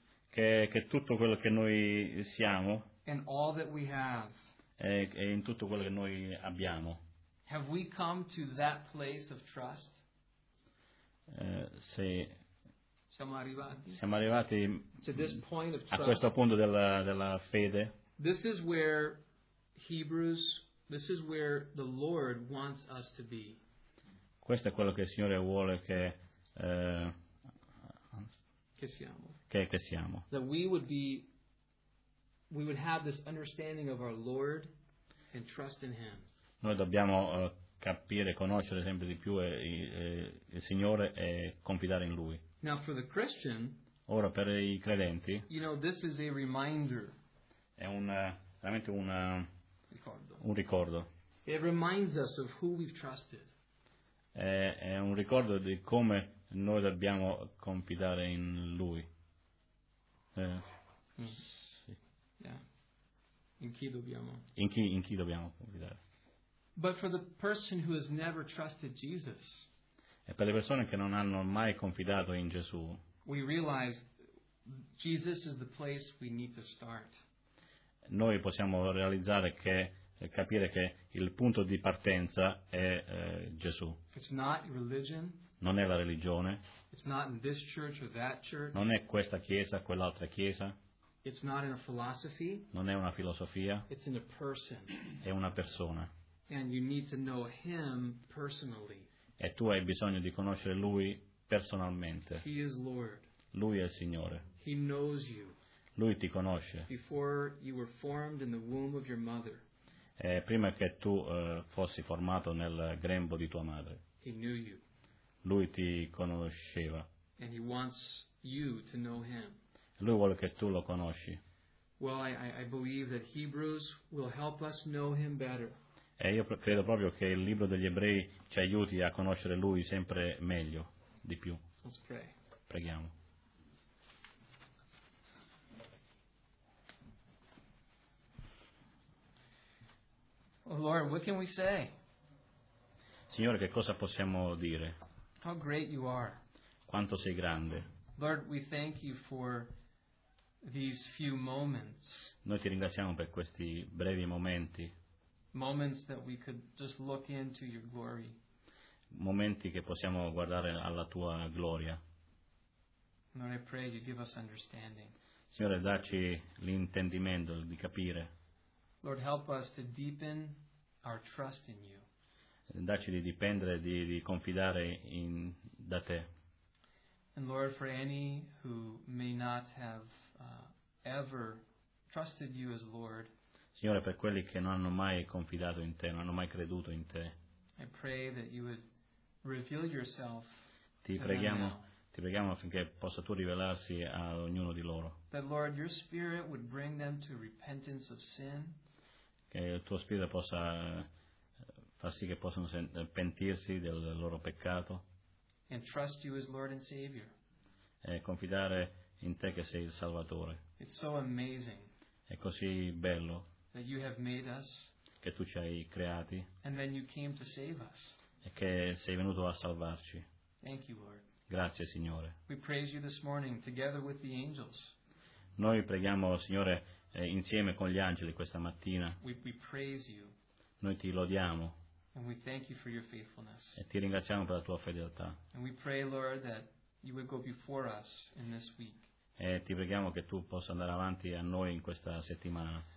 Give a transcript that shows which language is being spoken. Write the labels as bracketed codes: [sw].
[it] Che tutto quello che noi siamo. [en] And all that we have. [it] E in tutto quello che noi abbiamo. [en] Have we come to that place of trust? [it] Sì. Siamo arrivati [en] to this point of trust. [it] A questo punto della fede. [en] This is where Hebrews, this is where the Lord wants us to be. [it] Questo è quello che il Signore vuole che siamo. [en] That we would have this understanding of our Lord and trust in him. [it] Noi dobbiamo capire, conoscere sempre di più il Signore e confidare in lui. [en] Now for the Christian, [it] ora per i credenti, [en] you know, this is a reminder. [it] È un ricordo. [en] It reminds us of who we've trusted. [it] È un ricordo di come noi dobbiamo confidare in lui. Sì. Yeah. In chi dobbiamo? In chi dobbiamo confidare? [en] But for the person who has never trusted Jesus. [it] E per le persone che non hanno mai confidato in Gesù, [en] we realize Jesus is the place we need to start. [it] Noi possiamo realizzare che capire che il punto di partenza è Gesù. [en] It's not religion. [it] Non è la religione. [en] It's not in this church or that church. [it] Non è questa chiesa, quell'altra chiesa. [en] It's not in a philosophy. [it] Non è una filosofia. [en] It's in a person. [it] È una persona. [en] And you need to know him personally. [it] E tu hai bisogno di conoscere Lui personalmente. [en] He is Lord. [it] Lui è il Signore. [en] He knows you. [it] Lui ti conosce. [en] Before you were formed in the womb of your mother. [it] Prima che tu fossi formato nel grembo di tua madre. [en] He knew you. [it] Lui ti conosceva. [en] And he wants you to know him. [it] Lui vuole che tu lo conosci. [en] Well, I believe that Hebrews will help us know him better. [it] E io credo proprio che il libro degli Ebrei ci aiuti a conoscere lui sempre meglio, di più. [en] Let's pray. [it] Preghiamo. [en] Oh Lord, what can we say? [it] Signore, che cosa possiamo dire? [en] How great you are. [it] Quanto sei grande. [en] Lord, we thank you for these few moments. [it] Noi ti ringraziamo per questi brevi momenti. [en] Moments that we could just look into your glory. [it] Momenti che possiamo guardare alla tua gloria. [en] Lord, I pray you give us understanding. [it] Signore, dacci l'intendimento di capire. [en] Lord, help us to deepen our trust in you. [it] Dacci di dipendere, di confidare in da te. [en] And Lord, for any who may not have ever trusted you as Lord. [it] Signore, per quelli che non hanno mai confidato in te, non hanno mai creduto in te. [en] I pray that you would reveal yourself. [it] Ti preghiamo affinché possa tu rivelarsi a ognuno di loro. [en] That Lord, your Spirit would bring them to repentance of sin. [it] Che il tuo spirito possa far sì che possano pentirsi del loro peccato. [en] And trust you as Lord and Savior. [it] E confidare in te che sei il Salvatore. [en] It's so amazing. [it] È così bello. [en] That you have made us. [it] Che tu ci hai creati. [en] And then you came to save us. [it] E che sei venuto a salvarci. [en] Thank you, Lord. [it] Grazie, Signore. [en] We praise you this morning together with the angels. [it] Noi preghiamo, Signore, insieme con gli angeli questa mattina. [en] We praise you. [it] Noi ti lodiamo. [en] And we thank you for your faithfulness. [it] E ti ringraziamo per la tua fedeltà. [en] And we pray, Lord, that you would go before us in this week. [it] E ti preghiamo che tu possa andare avanti a noi in questa settimana.